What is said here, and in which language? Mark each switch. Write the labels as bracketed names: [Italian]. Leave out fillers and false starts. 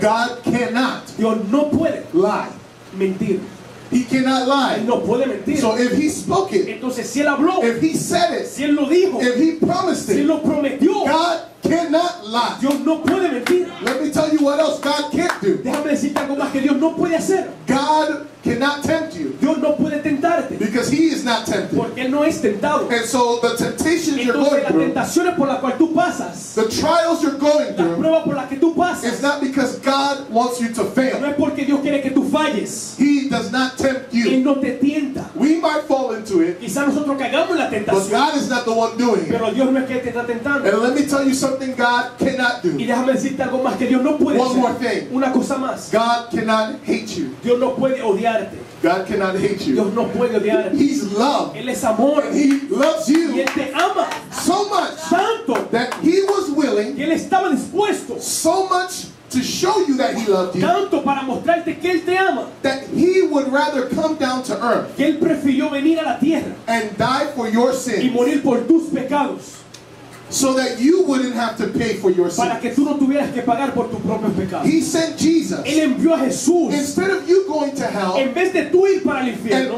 [English] God cannot [Spanish] Dios no puede [English] lie. [Spanish] Mentir. [English] He cannot lie. [Spanish] No puede mentir. [English] So if he spoke it, [Spanish] entonces, si él habló, [English] if he said it, [Spanish] si él lo dijo, [English] if he promised it, [Spanish] si él lo prometió, [English] God cannot lie. [Spanish] Dios no puede mentir. [English] Let me tell you what else God can't do. [Spanish] Déjame decirte algo más que Dios no puede hacer. [English] God cannot tempt you. [Spanish] Dios no puede tentarte. [English] Because he is not tempted. [Spanish] Porque él no es tentado. [English] And so the temptations you're going through, [Spanish] las tentaciones por las cuales tú pasas, [English] the trials you're going through, [Spanish] la prueba por la que tú pasas, [English] is not because God wants you to fail. [Spanish] No es porque Dios quiere que tú falles. [English] He does not tempt you. [Spanish] Él no te tienta. [English] We might fall into it. [Spanish] Quizá nosotros caigamos en la tentación. [English] But God is not the one doing it. [Spanish] Pero Dios no es que te está tentando. [English] And let me tell you something God cannot do. [Spanish] Y déjame decirte algo más que Dios no puede hacer. [English] One more thing. [Spanish] Una cosa más. [English] God cannot hate you. [Spanish] Dios no puede odiarte. [English] God cannot hate you. [Spanish] Dios no puede odiarte. [English] He's love. [Spanish] Él es amor. [English] He loves you. [Spanish] Y él te ama. [English] So much. [Spanish] Tanto. [English] That he was willing. [Spanish] Que él estaba dispuesto. [English] So much to show you that he loved you. [Spanish] Tanto para mostrarte que él te ama. [English] That he would rather come down to earth. [Spanish] Que él prefirió venir a la tierra. [English] And die for your sins. [Spanish] Y morir por tus pecados. [English] So that you wouldn't have to pay for your sins. [Spanish] Para que tú no tuvieras que pagar por tus propios pecados. [English] He sent Jesus. [Spanish] Él envió a Jesús. [English] Instead of you going to hell. [Spanish] En vez de tú ir para el infierno.